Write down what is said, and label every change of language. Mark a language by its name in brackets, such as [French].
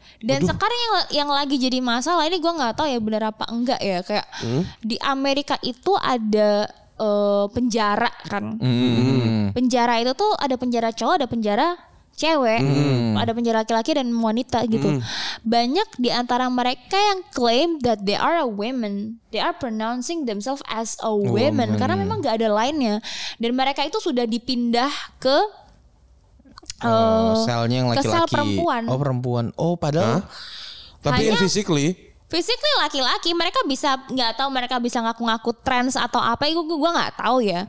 [Indonesian] Dan sekarang yang lagi jadi masalah ini gue enggak tahu ya bener apa enggak ya, kayak di Amerika itu ada penjara kan. Penjara itu tuh ada penjara cowok, ada penjara cewek, ada penjara laki-laki dan wanita gitu. Banyak di antara mereka yang [English] claim that they are a woman. They are pronouncing themselves as a woman. [Indonesian] Karena memang enggak ada lainnya. Dan mereka itu sudah dipindah ke selnya yang laki-laki. Ke sel perempuan. Oh, perempuan. Oh, padahal tapi hanya physically laki-laki. Mereka bisa enggak tahu, mereka bisa ngaku-ngaku trans atau apa, itu gua enggak tahu ya.